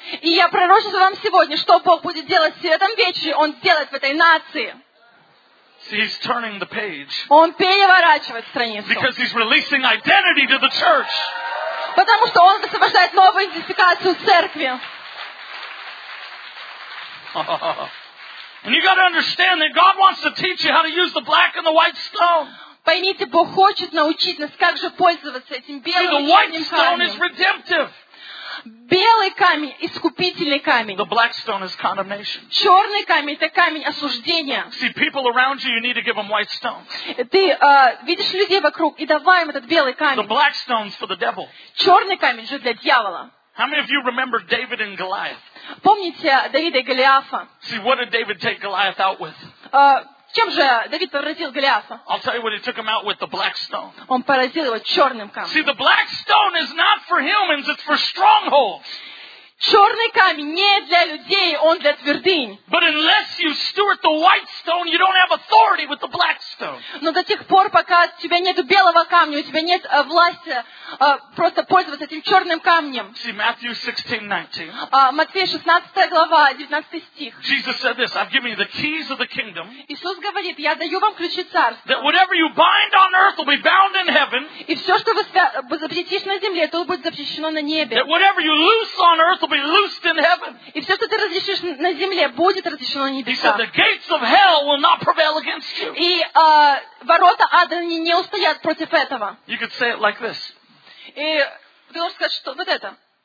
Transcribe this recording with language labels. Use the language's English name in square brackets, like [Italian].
[Russian] И я пророчу вам сегодня, что Бог будет делать в этом вечере, Он сделает в этой нации. [English] See, he's turning the page. [Russian] Он переворачивает страницу. [English] Because he's releasing identity to the church. [Russian] Потому что Он высвобождает новую идентификацию церкви. [English] And you got to understand that God wants to teach you how to use the black and the white stone. [Russian] Поймите, Бог хочет научить нас, как же пользоваться этим белым камнем. [English] The white stone is redemptive. [Russian] Белый камень – искупительный камень. [English] The black stone is condemnation. [Russian] Черный камень – это камень осуждения. [English] See, people around you, you need to give them white stones. [Russian] Ты видишь людей вокруг, и давай им этот белый камень. [English] The black stone's for the devil. [Russian] Черный камень же для дьявола. [English] How many of you remember David and Goliath? [Russian] Помните Давида и Голиафа? [English] See, what did David take Goliath out with? [Russian] Чем же Давид поразил Голиафа? [English] I'll tell you what he took him out with, the black stone. [Russian] Он поразил его черным камнем. [English] See, the black stone is not for humans, it's for strongholds. [Russian] Черный камень не для людей, он для твердынь. [English] But unless you steward the white stone, you don't have authority with the black stone. [Russian] Но до тех пор, пока у тебя нет белого камня, у тебя нет власти просто пользоваться этим черным камнем. [English] See, Matthew [Russian] 16:19. Матфея 16 глава, 19 стих. [English] Jesus said this: I've given you the keys of the kingdom. [Russian] Иисус говорит: Я даю вам ключи царства. [English] That whatever you bind on earth will be bound in heaven. [Russian] И все, что вы запретишь на земле, то будет запрещено на небе. [English] That whatever you loose on earth will be loosed in heaven. [Russian] И все, что ты разрешишь на земле, будет разрешено на небесах. [English] He said, the gates of hell will not prevail against you. [Russian] И ворота ада не устоят против этого. [English] You could say it like this. [Russian] И ты можешь сказать, что вот это.